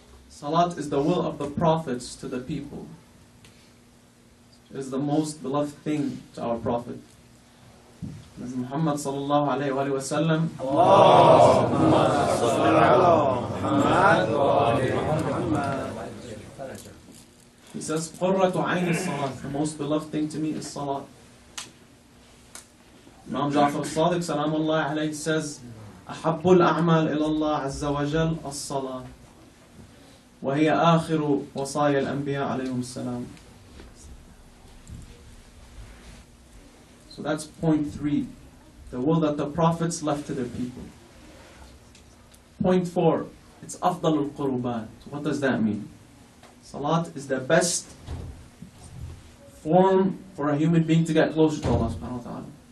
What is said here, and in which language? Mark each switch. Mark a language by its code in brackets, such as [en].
[en] Salat is the will of the prophets to the people. It is the most beloved thing to our prophet. As Muhammad sallallahu alayhi wa sallam, [ar] Allahumma salli ala Muhammad wa ali Muhammad. [en] He says, [ar] Qurratu ayni salat, [en] the most beloved thing to me is salat. Imam Jafar Sadiq salamullah alayhi says, [ar] أحب الأعمال إلى الله عز وجل الصلاة وهي آخر وصايا الأنبياء عليهم السلام. [en] So that's point three, the will that the prophets left to their people. Point four, it's [ar] أفضل القربان. [en] What does that mean? Salat is the best form for a human being to get closer to Allah subhanahu wa ta'ala.